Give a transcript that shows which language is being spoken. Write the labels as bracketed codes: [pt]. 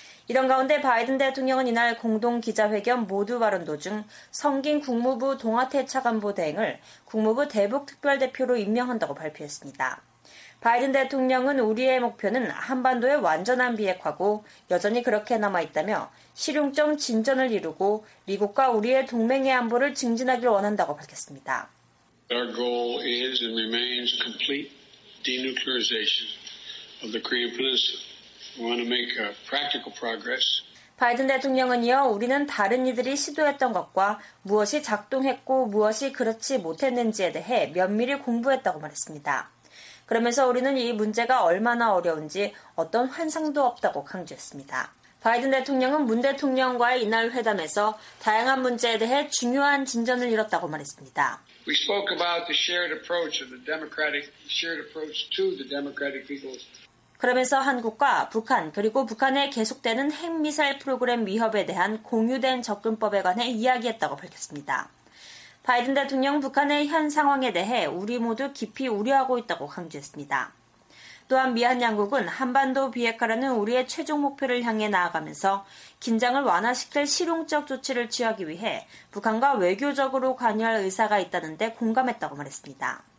[ko] 이런 가운데 바이든 대통령은 이날 공동 기자회견 모두 발언 도중 성긴 국무부 동아태 차관보 대행을 국무부 대북특별대표로 임명한다고 발표했습니다. 바이든 대통령은 우리의 목표는 한반도의 완전한 비핵화고 여전히 그렇게 남아있다며 실용적 진전을 이루고 미국과 우리의 동맹의 안보를 증진하길 원한다고 밝혔습니다. [en] Our goal is and remains complete denuclearization of the Korean Peninsula. We want to make a practical progress. [ko] 바이든 대통령은 이어 우리는 다른 이들이 시도했던 것과 무엇이 작동했고 무엇이 그렇지 못했는지에 대해 면밀히 공부했다고 말했습니다. 그러면서 우리는 이 문제가 얼마나 어려운지 어떤 환상도 없다고 강조했습니다. 바이든 대통령은 문 대통령과의 이날 회담에서 다양한 문제에 대해 중요한 진전을 이뤘다고 말했습니다. [en] We spoke about the shared approach of the democratic shared approach to the democratic peoples. [ko] 그러면서 한국과 북한 그리고 북한의 계속되는 핵미사일 프로그램 위협에 대한 공유된 접근법에 관해 이야기했다고 밝혔습니다. 바이든 대통령은 북한의 현 상황에 대해 우리 모두 깊이 우려하고 있다고 강조했습니다. 또한 미한 양국은 한반도 비핵화라는 우리의 최종 목표를 향해 나아가면서 긴장을 완화시킬 실용적 조치를 취하기 위해 북한과 외교적으로 관여할 의사가 있다는 데 공감했다고 말했습니다.